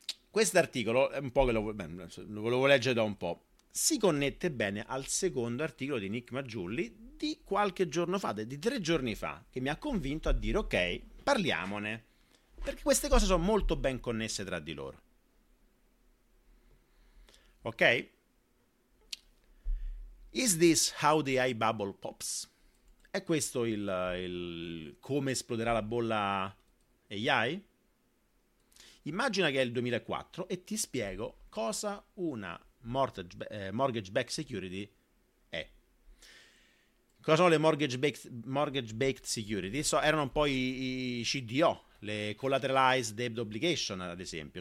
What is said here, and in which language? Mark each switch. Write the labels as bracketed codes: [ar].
[it] Questo articolo è un po' che lo volevo leggere da un po'. Si connette bene al secondo articolo di Nick Maggiulli di qualche giorno fa, di 3 giorni fa, che mi ha convinto a dire ok, parliamone, perché queste cose sono molto ben connesse tra di loro. Ok? [en] Is this how the AI bubble pops? [it] È questo il come esploderà la bolla AI? Immagina che è il 2004 e ti spiego cosa una mortgage-backed security è. Cosa sono le mortgage-backed security? Erano un po' i CDO, le collateralized debt obligation, ad esempio.